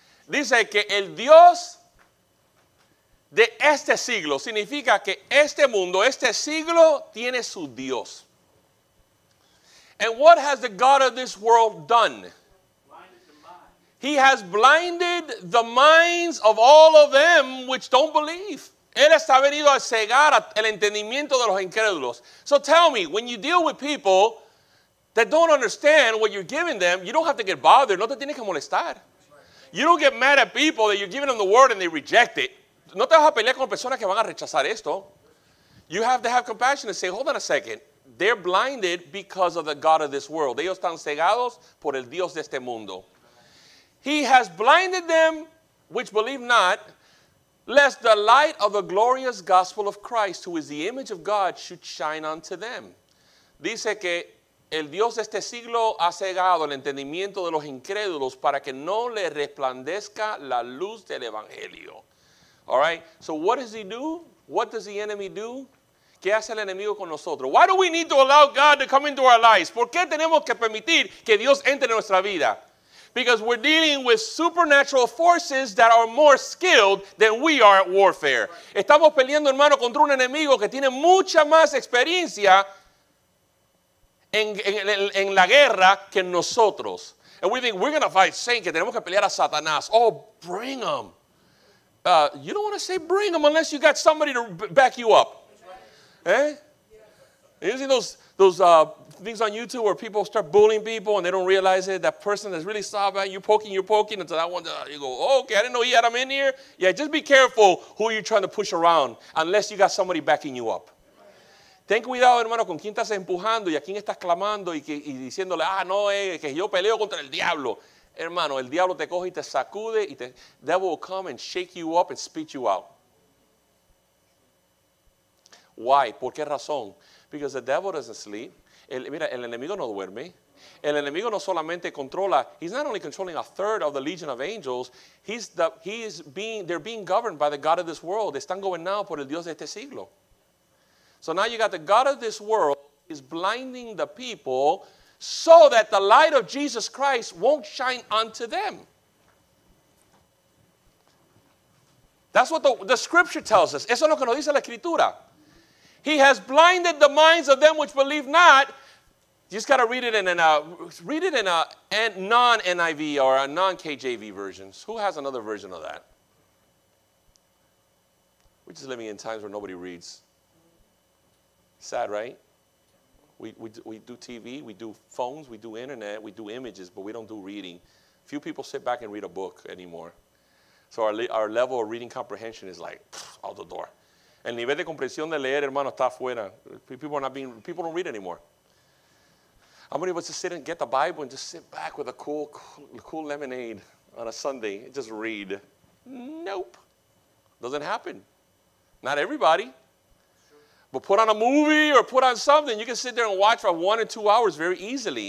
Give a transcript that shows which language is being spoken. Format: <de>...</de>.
<es>Dice que el Dios de este siglo. Significa que este mundo, este siglo, tiene su Dios.</es> <en>And what has the God of this world done? He has blinded the minds of all of them which don't believe.</en> <es>Él está venido a cegar el entendimiento de los incrédulos.</es> <en>So tell me, when you deal with people that don't understand what you're giving them, you don't have to get bothered.</en> <es>No te tienes que molestar.</es> <en>You don't get mad at people that you're giving them the word and they reject it.</en> <es>No te vas a pelear con personas que van a rechazar esto.</es> <en>You have to have compassion and say, hold on a second. They're blinded because of the God of this world.</en> <es>Ellos están cegados por el Dios de este mundo.</es> <en>He has blinded them, which believe not, lest the light of the glorious gospel of Christ, who is the image of God, should shine unto them.</en> <es>Dice que el Dios de este siglo ha cegado el entendimiento de los incrédulos para que no le resplandezca la luz del evangelio.</es> <en>All right? So what does he do? What does the enemy do?</en> <es>¿Qué hace el enemigo con nosotros?</es> <en>Why do we need to allow God to come into our lives?</en> <es>¿Por qué tenemos que permitir que Dios entre en nuestra vida?</es> <en>Because we're dealing with supernatural forces that are more skilled than we are at warfare.</en> <es>Estamos peleando, hermano, contra un enemigo que tiene mucha más experiencia en la guerra que nosotros.</es> <en>And we think, we're going to fight Satan,</en> <es>que tenemos que pelear a Satanás.</es> <en>Oh, bring him. You don't want to say bring him unless you got somebody to back you up. Eh? You see those things on YouTube where people start bullying people and they don't realize it. That person that's really soft, man, you're poking until that one, you go, oh, okay, I didn't know he had him in here. Yeah, just be careful who you're trying to push around unless you got somebody backing you up.</en> <es>Ten cuidado, hermano, con quién estás empujando y a quién estás clamando y diciéndole, ah, no, que yo peleo contra el diablo. Hermano, el diablo te coge y te sacude y</es> <en>the devil will come and shake you up and spit you out. Why?</en> <es>¿Por qué razón?</es> <en>Because the devil doesn't sleep.</en> <es>Mira, el enemigo no duerme. El enemigo no solamente controla.</es> <en>He's not only controlling a third of the legion of angels. They're being governed by the God of this world.</en> <es>Están gobernados por el Dios de este siglo.</es> <en>So now you got the God of this world is blinding the people so that the light of Jesus Christ won't shine unto them. That's what the scripture tells us.</en> <es>Eso es lo que nos dice la escritura.</es> <en>He has blinded the minds of them which believe not. You just got to read it in a non-NIV or a non-KJV versions. Who has another version of that? We're just living in times where nobody reads. Sad, right? We do TV, we do phones, we do internet, we do images, but we don't do reading. Few people sit back and read a book anymore. So our level of reading comprehension is like out the door.</en> <es>El nivel de comprensión de leer, hermano, está afuera.</es> <en>People don't read anymore. How many of us just sit and get the Bible and just sit back with a cool lemonade on a Sunday and just read? Nope. Doesn't happen. Not everybody. But put on a movie or put on something. You can sit there and watch for 1 or 2 hours very easily.</en>